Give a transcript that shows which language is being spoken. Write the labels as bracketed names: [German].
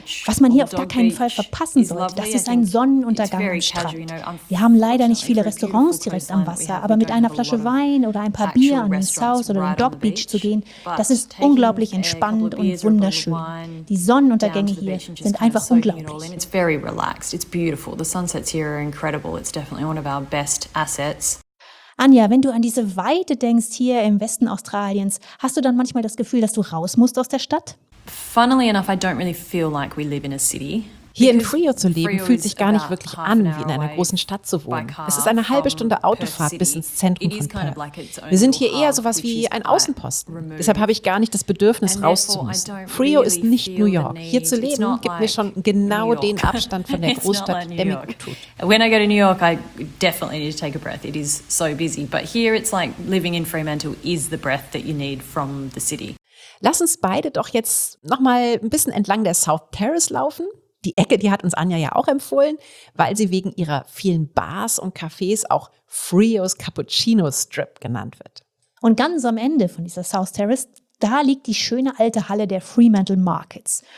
[German] Was man hier auf gar keinen Fall verpassen sollte, das ist ein Sonnenuntergang am Strand. Wir haben leider nicht viele Restaurants direkt am Wasser, aber mit einer Flasche Wein oder ein paar Bier an den South oder den Dock Beach zu gehen, das ist unglaublich entspannt und wunderschön. Die Sonnenuntergänge hier sind einfach unglaublich. [English] It's very relaxed. It's beautiful. The sunsets here are incredible. It's definitely one of our best assets. [German] Anja, wenn du an diese Weite denkst hier im Westen Australiens, hast du dann manchmal das Gefühl, dass du raus musst aus der Stadt? [English] Funnily enough, I don't really feel like we live in a city. [German] Hier in Frio zu leben, fühlt sich gar nicht wirklich an, wie in einer großen Stadt zu wohnen. Es ist eine halbe Stunde Autofahrt bis ins Zentrum von Perth. Wir sind hier eher sowas wie ein Außenposten. Deshalb habe ich gar nicht das Bedürfnis, rauszumüssen. Frio ist nicht New York. Hier zu leben, gibt mir schon genau den Abstand von der Großstadt, der mir gut tut. [English] When I go to New York, I definitely need to take a breath. It is so busy. But here it's like living in Fremantle is the breath that you need from the city. [German] Lass uns beide doch jetzt nochmal ein bisschen entlang der South Terrace laufen. Die Ecke, die hat uns Anja ja auch empfohlen, weil sie wegen ihrer vielen Bars und Cafés auch Frio's Cappuccino Strip genannt wird. Und ganz am Ende von dieser South Terrace, da liegt die schöne alte Halle der Fremantle Markets.